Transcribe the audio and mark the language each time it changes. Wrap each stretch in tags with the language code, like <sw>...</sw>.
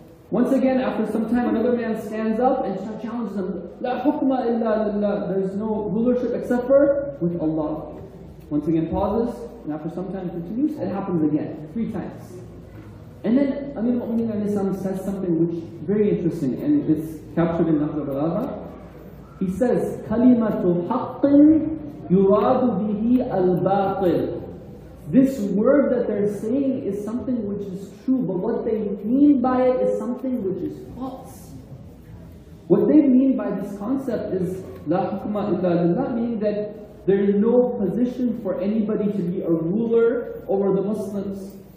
<en>Once again, after some time, another man stands up and challenges him,</en> <ar>La hukma illa lillah.</ar> <en>There is no rulership except for with Allah. Once again pauses, and after some time continues, it happens again, three times. And then Amir al-Mu'mineen alayhi salam says something which is very interesting, and it's captured in Nahj al-Balagha.</en> <ar>He says, كَلِمَةُ حَقٍ يُرَادُ بِهِ الْبَاطِلِ.</ar> <en>This word that they're saying is something which is true, but what they mean by it is something which is false. What they mean by this concept is</en> <ar>لَا حُكْمَ إِلَّا لِلَّهِ,</ar> <en>meaning that there is no position for anybody to be a ruler over the Muslims.</en>